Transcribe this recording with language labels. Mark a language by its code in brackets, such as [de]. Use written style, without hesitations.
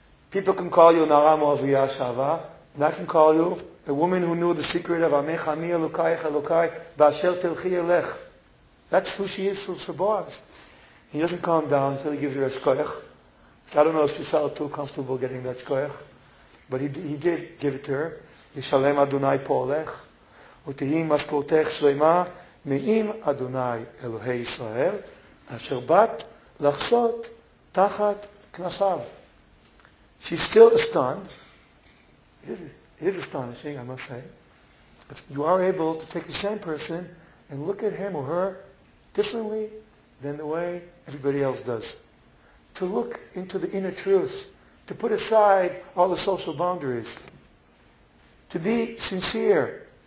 [en] People can call you Nara Moaviyah Shava, and I can call you a woman who knew the secret of [he] Amech Ami Elokaich Elokai v'asher telchi elech. [en] That's who she is for Boaz. He doesn't calm down until he gives her a shkoich. I don't know if she felt too comfortable getting that shkoich, but he did give it to her. [he] Yishalem Adonai po'olech. ותהיים משכורתך שלמה מאם אדוני אלוהי ישראל אשר באת לחסות תחת כנפיו. [en] She's still astonished. It is astonishing, I must say. But you are able to take the same person and look at him or her differently than the way everybody else does. To look into the inner truth, to put aside all the social boundaries, to be sincere.